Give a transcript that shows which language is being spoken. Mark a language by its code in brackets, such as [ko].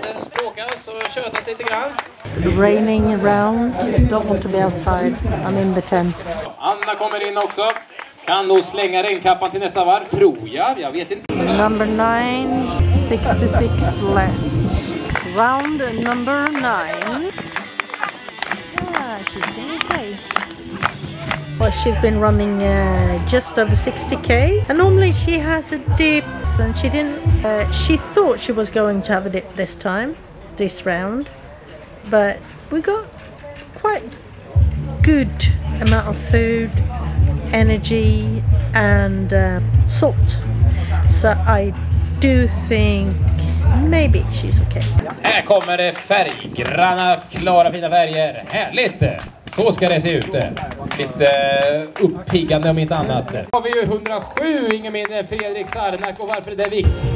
[sv] Det språkas och tjötas lite grann. [en] Raining around. Don't want to be outside. I'm in the tent. [sv] Anna kommer in också. Kan nog slänga regnkappan till nästa varv, tror jag. Jag vet inte. [en] Number 9. 66 left. Round number 9. Yeah, she's doing okay. Well, she's been running just over 60k, and normally she has a dip, and she didn't. She thought she was going to have a dip this time, this round, but we got quite good amount of food, energy, and salt. So I do think maybe she's okay. [sv] Här kommer det färggranna, klara, fina färger. Härligt! Så ska det se ut. Lite uppiggande om inte annat. Då har vi ju 107, ingen mindre än Fredrik Sarnak. Och varför är det viktigt?